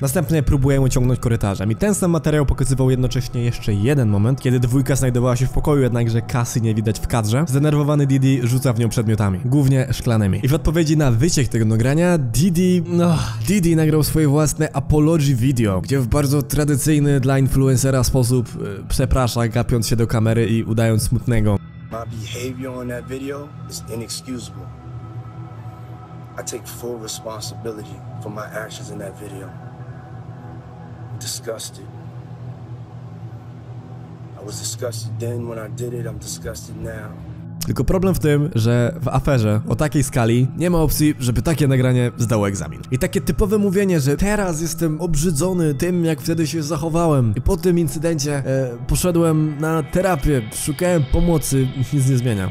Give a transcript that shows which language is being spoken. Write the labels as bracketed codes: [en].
[pl] Następnie próbuje ją ciągnąć korytarzem. I ten sam materiał pokazywał jednocześnie jeszcze jeden moment, kiedy dwójka znajdowała się w pokoju, jednakże kasy nie widać w kadrze. Zdenerwowany Didi rzuca w nią przedmiotami, głównie szklanymi. I w odpowiedzi na wyciek tego nagrania, Didi nagrał swoje własne apology video, gdzie w bardzo tradycyjny dla influencera sposób przeprasza, gapiąc się do kamery i udając smutnego. [en] My behavior on that video is inexcusable. I take full responsibility for my actions in that video. Disgusted. I was disgusted then when I did it, I'm disgusted now. [pl] Tylko problem w tym, że w aferze o takiej skali nie ma opcji, żeby takie nagranie zdało egzamin. I takie typowe mówienie, że teraz jestem obrzydzony tym, jak wtedy się zachowałem i po tym incydencie poszedłem na terapię, szukałem pomocy, nic nie zmienia.